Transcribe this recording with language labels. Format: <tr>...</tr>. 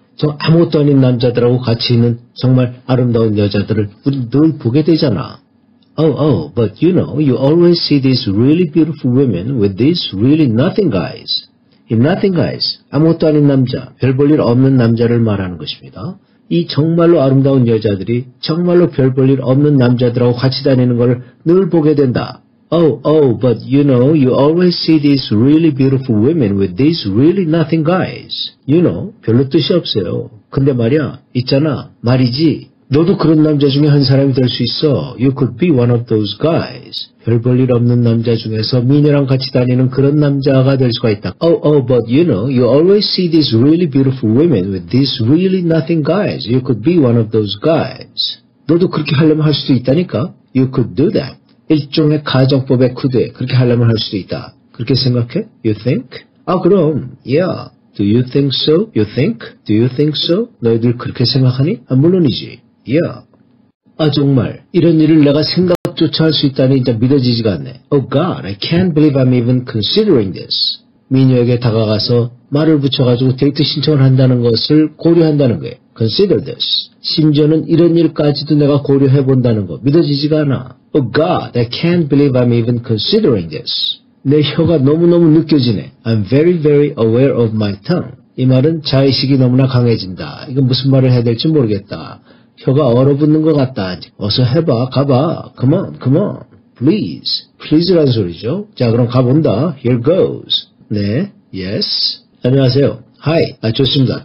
<ko>저 아무것도 아닌 남자들하고 같이 있는 정말 아름다운 여자들을 늘 보게 되잖아.</ko> <en>Oh, oh, but you know, you always see these really beautiful women with these really nothing guys. In nothing guys,</en> <ko>아무것도 아닌 남자, 별 볼 일 없는 남자를 말하는 것입니다. 이 정말로 아름다운 여자들이 정말로 별 볼 일 없는 남자들하고 같이 다니는 걸 늘 보게 된다.</ko> <en>Oh, oh, but you know, you always see these really beautiful women with these really nothing guys. You know,</en> <ko>별로 뜻이 없어요. 근데 말이야, 있잖아, 말이지. 너도 그런 남자 중에 한 사람이 될 수 있어.</ko> <en>You could be one of those guys.</en> <ko>별 볼 일 없는 남자 중에서 미녀랑 같이 다니는 그런 남자가 될 수가 있다.</ko> <en>Oh, oh, but you know, you always see these really beautiful women with these really nothing guys. You could be one of those guys.</en> <ko>너도 그렇게 하려면 할 수도 있다니까.</ko> <en>You could do that.</en> <ko>일종의 가정법의 코드에 그렇게 하려면 할 수도 있다. 그렇게 생각해?</ko> <en>You think?</en> <ko>아, 그럼.</ko> <en>Yeah. Do you think so? You think? Do you think so?</en> <ko>너희들 그렇게 생각하니? 아, 물론이지. Yeah. 아, 정말. 이런 일을 내가 생각조차 할 수 있다니 이제 믿어지지가 않네.</ko> <en>Oh God, I can't believe I'm even considering this.</en> <ko>미녀에게 다가가서 말을 붙여가지고 데이트 신청을 한다는 것을 고려한다는 거예요.</ko> <en>Consider this.</en> <ko>심지어는 이런 일까지도 내가 고려해본다는 거. 믿어지지가 않아. Oh God, I can't believe I'm even considering this. 내 혀가 너무너무 느껴지네.</ko> <en>I'm very, very aware of my tongue.</en> <ko>이 말은 자의식이 너무나 강해진다. 이건 무슨 말을 해야 될지 모르겠다. 혀가 얼어붙는 것 같다. 어서 해봐. 가봐.</ko> <en>Come on, come on. Please.</en> <ko>Please란 소리죠. 자, 그럼 가본다.</ko> <en>Here goes.</en> <ko>네. Yes. 안녕하세요. Hi. 아, 좋습니다.</ko>